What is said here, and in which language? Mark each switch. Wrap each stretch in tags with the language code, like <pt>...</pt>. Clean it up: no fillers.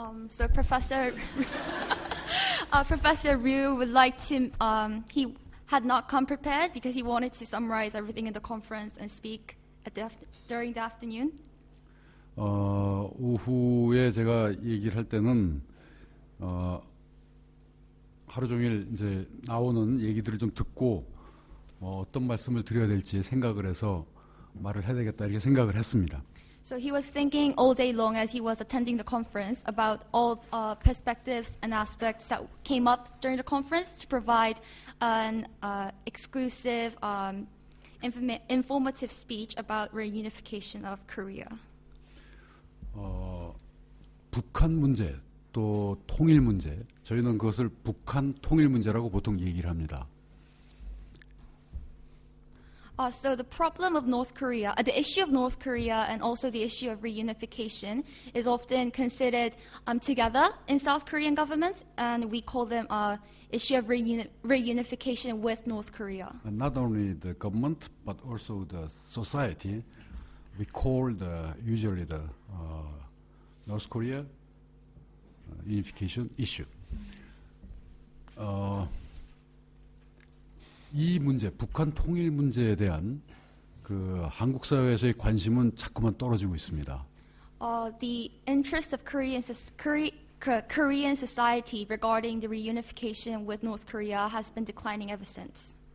<en>So Professor Professor Ryu would like to he had not come prepared because he wanted to summarize everything in the conference and speak at the during the afternoon.</en> <ko>오후에 제가 얘기를 할 때는 하루 종일 이제 나오는 얘기들을 좀 듣고 어떤 말씀을 드려야 될지 생각을 해서 말을 해야 되겠다 이렇게 생각을 했습니다.</ko> <en>So he was thinking all day long as he was attending the conference about all perspectives and aspects that came up during the conference to provide an exclusive informative speech about reunification of Korea.</en> <ko>북한 문제 또 통일 문제 저희는 그것을 북한 통일 문제라고 보통 얘기를 합니다.</ko> <en>So the problem of North Korea, the issue of North Korea, and also the issue of reunification is often considered together in South Korean government, and we call them issue of reunification with North Korea. And not only the government, but also the society. We call the usually the North Korea unification issue.</en> <ko>이 문제, 북한 통일 문제에 대한 그 한국 사회에서의 관심은 자꾸만 떨어지고 있습니다.</ko> <en>The interest of Korean society regarding the reunification with North Korea has been declining ever since.</en>